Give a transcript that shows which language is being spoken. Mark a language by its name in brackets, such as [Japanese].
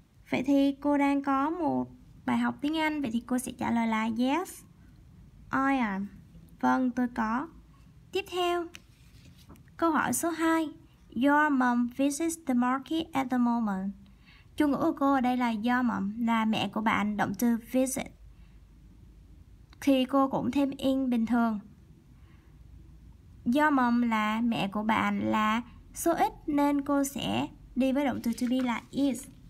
[Vietnamese] Vậy thì cô đang có một bài học tiếng Anh, vậy thì cô sẽ trả lời là [English] yes, I am. [Vietnamese] Vâng, tôi có. Tiếp theo, câu hỏi số 2. [English] Your mom visits the market at the moment. [Vietnamese] Chủ ngữ của cô ở đây là your mom, là mẹ của bạn, động từ visit. Thì cô cũng thêm in bình thường. Your mom là mẹ của bạn là số ít nên cô sẽ đi với động từ to be là is.